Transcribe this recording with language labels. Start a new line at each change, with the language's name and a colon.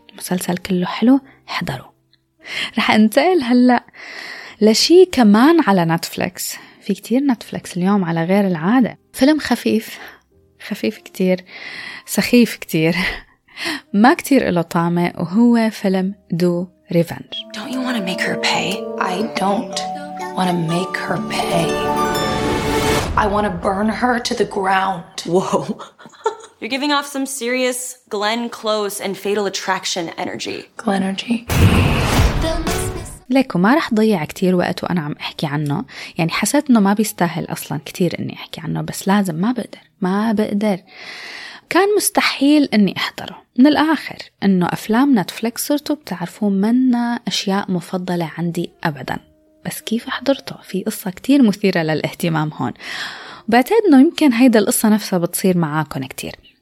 Arabic: المسلسل كله حلو، احضروا. رح انتقل هلأ لشي كمان على نتفليكس، في كتير نتفليكس اليوم على غير العادة، فيلم خفيف خفيف كتير، سخيف كتير، ما كتير إله طعمة، وهو فيلم دو ريفنج.
English: Don't you want to make her pay? I don't want to make her pay. I want to burn her to the ground. Whoa. You're giving off some serious Glenn Close and Fatal Attraction energy. Glenn energy.
Arabic: ليكو ما رح ضيع كتير وقت وأنا عم أحكي عنه، يعني حسيت أنه ما بيستاهل أصلاً كتير أني أحكي عنه، بس لازم، ما بقدر. كان مستحيل أني أحضره من الآخر، أنه أفلام نتفليكس صرتوا بتعرفوا منا أشياء مفضلة عندي أبداً، بس كيف أحضرته؟ في قصة كتير مثيرة للاهتمام هون، بعتقد أنه يمكن هيدا القصة نفسها بتصير معاكم كتير.